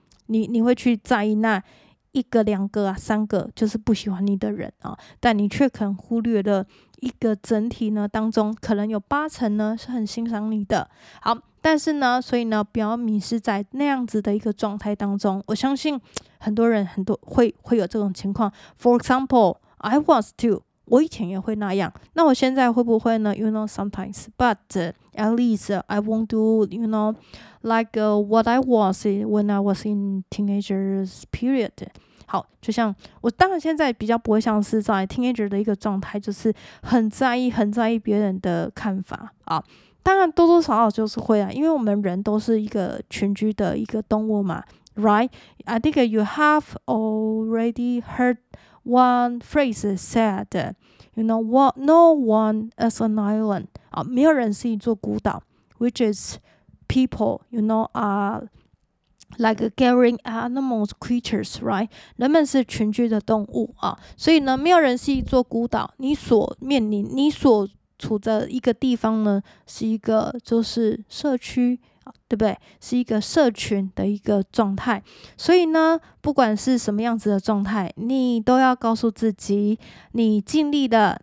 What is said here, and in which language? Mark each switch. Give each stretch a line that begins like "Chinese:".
Chinese: 你会去在意那一个两个啊三个就是不喜欢你的人啊，但你却可能忽略了一个整体呢当中可能有八成呢是很欣赏你的。好，但是呢，所以呢不要迷失在那样子的一个状态当中。我相信很多人很多会有这种情况。
English: For example, I was too.
Chinese: 我以前也会那样。那我现在会不会呢
English: ？You know, sometimes, but at least I won't do. You know. Like what I was when I was in teenager's period.
Chinese: 好，就像我当然现在比较不会像是在 teenager 的一个状态，就是很在意别人的看法啊。当然多多少少就是会啊，因为我们人都是一个群居的一个动物嘛 ，right?
English: I think you have already heard one phrase said, you know what? No one is an island.
Chinese: 啊，没有人是一座孤岛
English: ，which is. People, you know, are like caring animals, creatures, right?
Chinese: 人们是群居的动物啊，所以呢，没有人是一座孤岛。你所面临、你所处的一个地方呢，是一个就是社区，对不对？是一个社群的一个状态。所以呢，不管是什么样子的状态，你都要告诉自己，你尽力的。